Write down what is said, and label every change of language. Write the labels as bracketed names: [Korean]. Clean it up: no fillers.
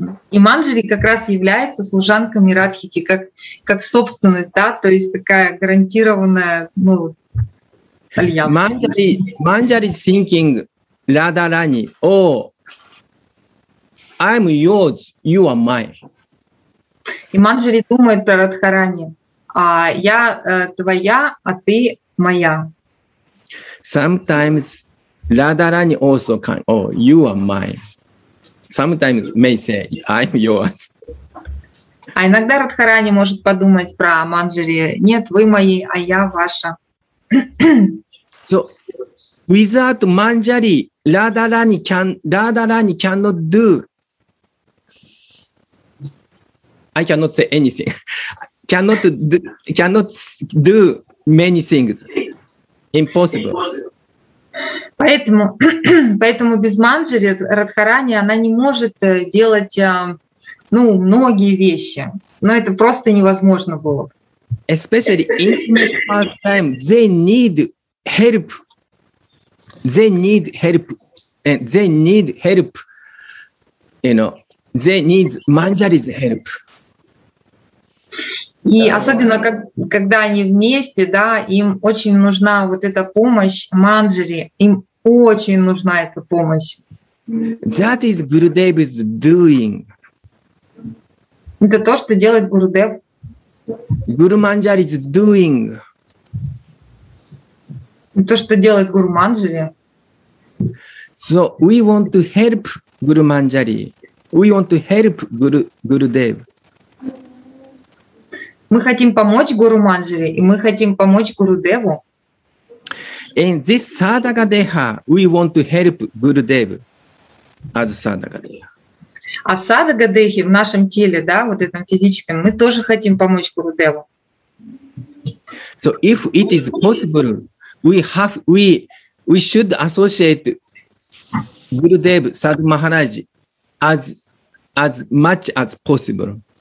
[Russian] И Манджари как раз является служанками Радхики, как собственность, да, то есть такая гарантированная, ну, альянс. [English] Manjari is thinking Radharani, oh, I'm yours, you are mine. [Russian] И Манджари думает про Радхарани. А я твоя, а ты моя. [English] Sometimes Radharani also can, oh, you are mine. Sometimes may say, I'm yours. [Russian] А иногда Радхарани может подумать про Манджари. Нет, вы мои, а я ваша. [English] So without Манджари, Radharani cannot do. I cannot say anything. cannot do many things. Impossible. [Russian] Поэтому без Манджари Радхарани она не может делать, ну, многие вещи. Но это просто невозможно было. [English] Especially in the first time, they need help. They need help. You know, they need Manjari's help. [Russian] И особенно когда они вместе, да, им очень нужна вот эта помощь Манджари, им очень нужна эта помощь. [English] That is Gurudev is doing. [Russian] Это то, что делает Гурудев. [English] Гуру Манджари is doing. [Russian] То, что делает Гуру Манджари. [English] So we want to help Гуру Манджари. We want to help Gurudev. [Russian] Мы хотим помочь Гуру Манджари, и мы хотим помочь Гуру Деву. [English] In this Sadaka Deha, we want to help Guru Dev. Адсадагадехи. [Russian] Асадагадехи в нашем теле, да, вот этом физическом, мы тоже хотим помочь Гурудеву. [English] So if it is possible, we should associate Gurudev Sadhu Maharaj as much as possible.